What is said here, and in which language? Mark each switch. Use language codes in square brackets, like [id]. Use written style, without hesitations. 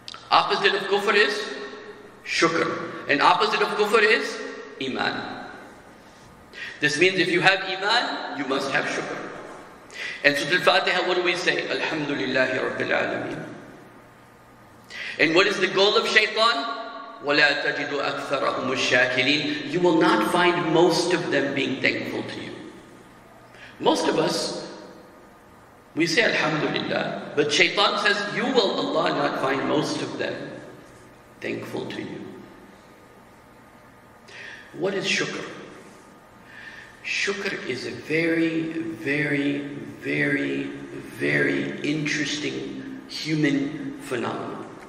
[en] Opposite of kufr is shukr. And opposite of kufr is iman. This means if you have iman, you must have shukr. And Surah Al-Fatiha, what do we say? Alhamdulillahi Rabbil Alameen. And what is the goal of shaitan? [ar] وَلَا تَجِدُ أَكْثَرَهُمُ الشَّاكِرِينَ. [en] You will not find most of them being thankful to you. Most of us, we say Alhamdulillah. But shaitan says, you will, Allah, not find most of them thankful to you. What is shukr? Shukr is a very, very, very, very interesting human phenomenon.